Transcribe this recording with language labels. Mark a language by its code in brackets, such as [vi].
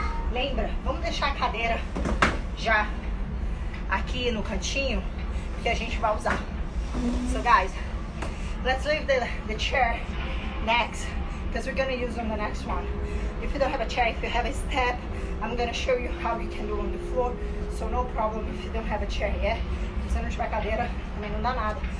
[pt] Lembra, vamos deixar a cadeira já aqui no cantinho que a gente vai usar. [en] So guys, let's leave the chair next, because we're gonna use on the next one. If you don't have a chair, if you have a step, I'm gonna show you how you can do on the floor. So no problem if you don't have a chair, yeah? [pt] Se você não tiver cadeira, também não dá nada.